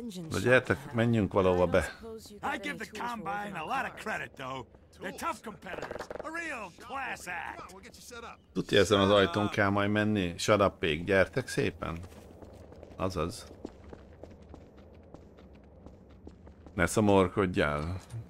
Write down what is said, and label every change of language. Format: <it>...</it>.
<hu>Na gyertek, menjünk valahova be.</hu> <en>I give the Combine a lot of credit though. They're tough competitors. A real class act.</en> <hu>Tudja, ezen az ajtón kell majd menni.</hu> <en>Shut up,</en> <hu>Pig. Gyertek szépen. Azaz. Ne szomorkodjál.</hu>